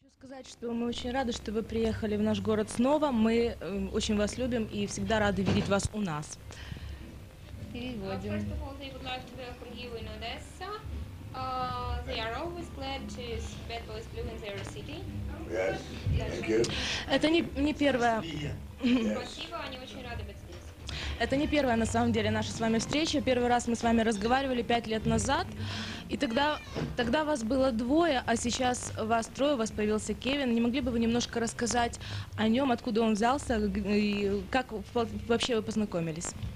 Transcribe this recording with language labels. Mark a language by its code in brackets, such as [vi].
[ru] Сказать, что мы очень рады, что вы приехали в наш город снова. Мы очень вас любим и всегда рады видеть вас у нас. [en] First of all, they would like to welcome you in Odessa. They are always glad to see that boys blue in their city. Yes, thank you. [ru] Это не первое. Спасибо, они очень рады быть здесь. Это не первая, на самом деле, наша с вами встреча. Первый раз мы с вами разговаривали 5 лет назад. И тогда вас было двое, а сейчас вас трое, у вас появился Кевин. Не могли бы вы немножко рассказать о нем, откуда он взялся и как вообще вы познакомились?